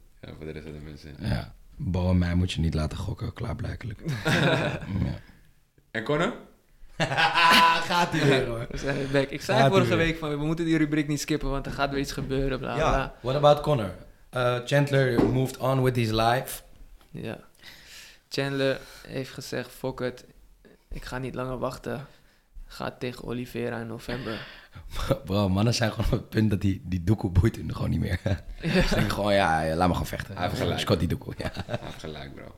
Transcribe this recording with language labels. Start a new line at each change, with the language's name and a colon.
Dutch: Ja, voor de rest van de mensen. Ja, Bo en mij moet je niet laten gokken, klaarblijkelijk. Ja. En Conor? Gaat hij weer, hoor. Ik zei vorige week van, we moeten die rubriek niet skippen, want er gaat weer iets gebeuren, bla, bla. Ja.
English: What about Conor? Chandler moved on with his life.
Dutch: Ja. Chandler heeft gezegd,
English: fuck it,
Dutch: ik ga niet langer wachten. Ga tegen Oliveira in november. Bro, mannen zijn gewoon op het punt dat die doekoe boeit hun gewoon niet meer. Ja. Dus denk ik gewoon, ja, laat me gewoon vechten. Hij heeft gelijk. Scott die doekoe, ja. Hij heeft gelijk, bro.